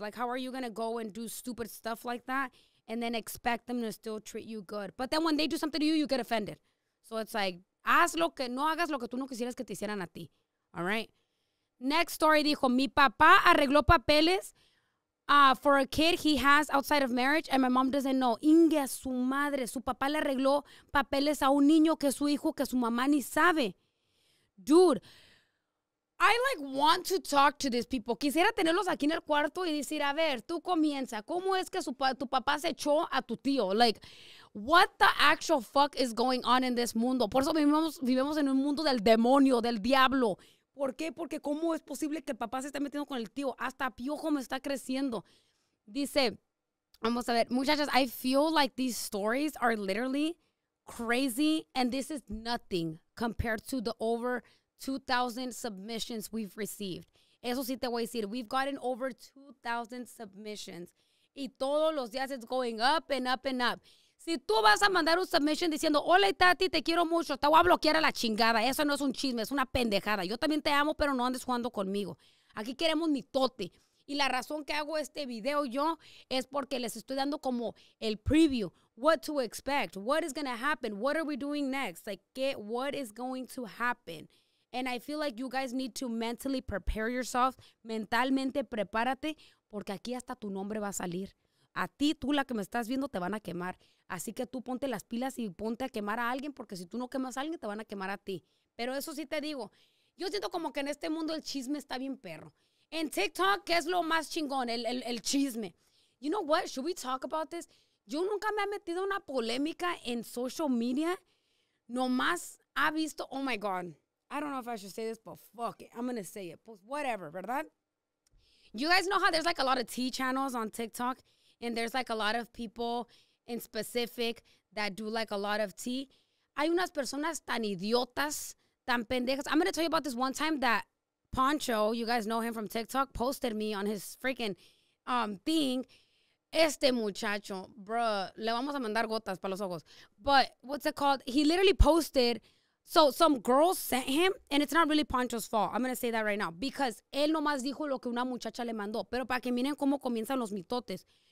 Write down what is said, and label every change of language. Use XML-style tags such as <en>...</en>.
<en>Like, how are you going to go and do stupid stuff like that and then expect them to still treat you good? But then when they do something to you, you get offended. So it's like,</en> <es>no hagas lo que tú no quisieras que te hicieran a ti.</es> <en>All right. Next story</en> <es>dijo, mi papá arregló papeles</es> <en>for a kid he has outside of marriage and my mom doesn't know.</en> <es>Inge a su madre, su papá le arregló papeles a un niño que es su hijo que su mamá ni sabe.</es> <en>Dude, I like want to talk to these people.</en> <es>Quisiera tenerlos aquí en el cuarto y decir, a ver, tú comienza. ¿Cómo es que tu papá se echó a tu tío?</es> <en>Like, what the actual fuck is going on in this mundo?</en> <es>Por eso vivimos en un mundo del demonio, del diablo. ¿Por qué? Porque ¿cómo es posible que el papá se esté metiendo con el tío? Hasta piojo me está creciendo. Dice, vamos a ver, muchachas,</es> <en>I feel like these stories are literally crazy and this is nothing compared to the over 2,000 submissions we've received.</en> <es>Eso sí te voy a decir,</es> <en>we've gotten over 2,000 submissions</en> <es>y todos los días</es> <en>it's going up and up and up.</en> <es>Si tú vas a mandar un submission diciendo, hola Tati, te quiero mucho, te voy a bloquear a la chingada. Eso no es un chisme, es una pendejada. Yo también te amo, pero no andes jugando conmigo. Aquí queremos mi tote. Y la razón que hago este video yo es porque les estoy dando como el preview.</es> <en>What to expect? What is going to happen? What are we doing next? What is going to happen? And I feel like you guys need to mentally prepare yourself.</en> <es>Mentalmente prepárate, porque aquí hasta tu nombre va a salir. A ti, tú la que me estás viendo, te van a quemar. Así que tú ponte las pilas y ponte a quemar a alguien, porque si tú no quemas a alguien, te van a quemar a ti. Pero eso sí te digo, yo siento como que en este mundo el chisme está bien perro. En TikTok, ¿qué es lo más chingón? El chisme.</es> <en>You know what? Should we talk about this?</en> <es>Yo nunca me he metido en una polémica en social media. Nomás ha visto,</es> <en>oh my God. I don't know if I should say this, but fuck it. I'm going to say it. But whatever, ¿verdad? You guys know how there's like a lot of tea channels on TikTok, and there's like a lot of people in specific that do like a lot of tea.</en> <es>Hay unas personas tan idiotas, tan pendejas.</es> <en>I'm going to tell you about this one time that Poncho, you guys know him from TikTok, posted me on his freaking thing.</en> <es>Este muchacho, bro, le vamos a mandar gotas para los ojos.</es> <en>But what's it called? He literally posted, so some girl sent him, and it's not really Poncho's fault. I'm going to say that right now. Because</en> <es>él nomás dijo lo que una muchacha le mandó. Pero para que miren cómo comienzan los mitotes.</es>